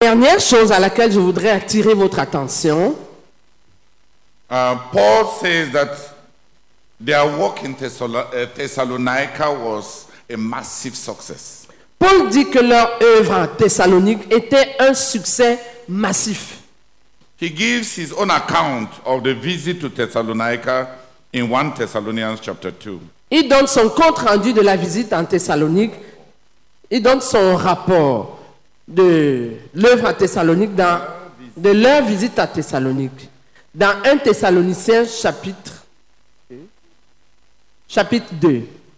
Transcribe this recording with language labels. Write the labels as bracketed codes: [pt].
[fr] Dernière chose à laquelle je voudrais attirer votre attention. [en] Paul says that their work in Thessalonica was a massive success. [fr] Paul dit que leur œuvre à Thessalonique était un succès massif. [en] He gives his own account of the visit to Thessalonica in 1 Thessalonians chapter 2. [fr] Il donne son compte rendu de la visite en Thessalonique. Il donne son rapport de l'œuvre à Thessalonique dans de leur visite à Thessalonique dans 1 Thessaloniciens chapitre 2.